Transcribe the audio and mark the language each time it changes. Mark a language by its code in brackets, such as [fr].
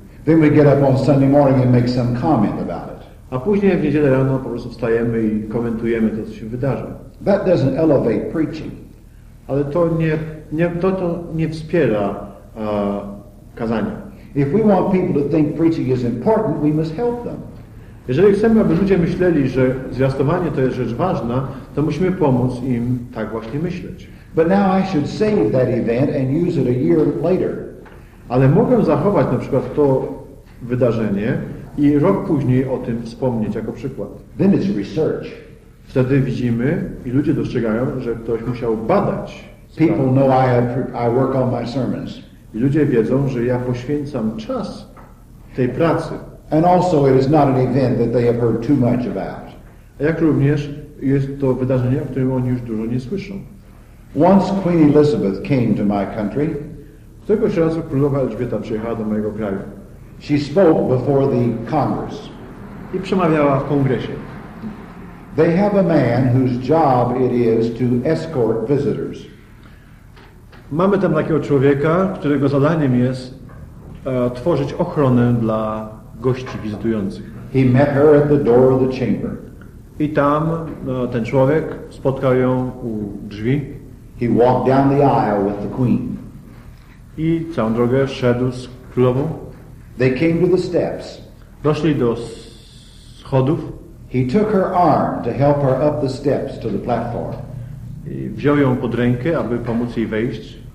[en] Then we get up on Sunday morning and make some comment about it. [pl] A później w niedzielę rano po prostu wstajemy i komentujemy to, co się wydarza. [en] That doesn't elevate preaching. [pl] Ale to nie wspiera kazania. [en] If we want people to think preaching is important, we must help them. [pl] Jeżeli chcemy, aby ludzie myśleli, że zwiastowanie to jest rzecz ważna, to musimy pomóc im tak właśnie myśleć. [en] But now I should save that event and use it a year later. [pl] Ale mogę zachować na przykład to wydarzenie i rok później o tym wspomnieć jako przykład. [en] Then it's research. [pl] Wtedy widzimy i ludzie dostrzegają, że ktoś musiał badać. [en] People know I work on my sermons. [pl] I ludzie wiedzą, że ja poświęcam czas tej pracy. [en] And also it is not an event that they have heard too much about. [pl] Jak również jest to wydarzenie, o którym oni już dużo nie słyszą. [en] Once Queen Elizabeth came to my country, [pl] któregoś razu królowa Elżbieta przyjechała do mojego kraju. [en] She spoke before the Congress. [pl] I przemawiała w kongresie. [en] They have a man whose job it is to escort visitors. [pl] Mamy tam takiego człowieka, którego zadaniem jest tworzyć ochronę dla gości wizytujących. [en] He met her at the door of the chamber. [pl] I tam ten człowiek spotkał ją u drzwi. [en] He walked down the aisle with the queen. [pl] I całą drogę szedł z królową. [en] They came to the steps. [pl] Doszli do schodów. [en] He took her arm to help her up the steps to the platform. [pl] I wziął ją pod rękę, aby pomóc jej wejść.